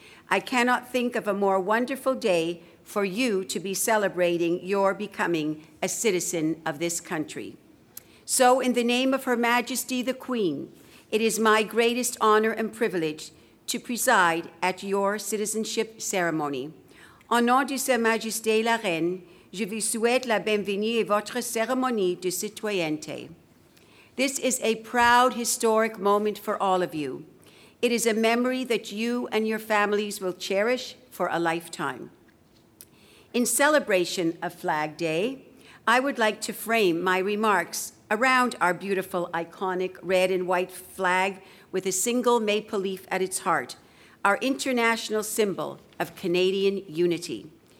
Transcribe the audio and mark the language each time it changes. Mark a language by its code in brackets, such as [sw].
[en] I cannot think of a more wonderful day for you to be celebrating your becoming a citizen of this country. So, in the name of Her Majesty the Queen, it is my greatest honor and privilege to preside at your citizenship ceremony. [fr] Au nom de Sa Majesté la Reine, je vous souhaite la bienvenue et votre cérémonie de citoyenneté. [en] This is a proud historic moment for all of you. It is a memory that you and your families will cherish for a lifetime. In celebration of Flag Day, I would like to frame my remarks around our beautiful, iconic red and white flag with a single maple leaf at its heart, our international symbol of Canadian unity.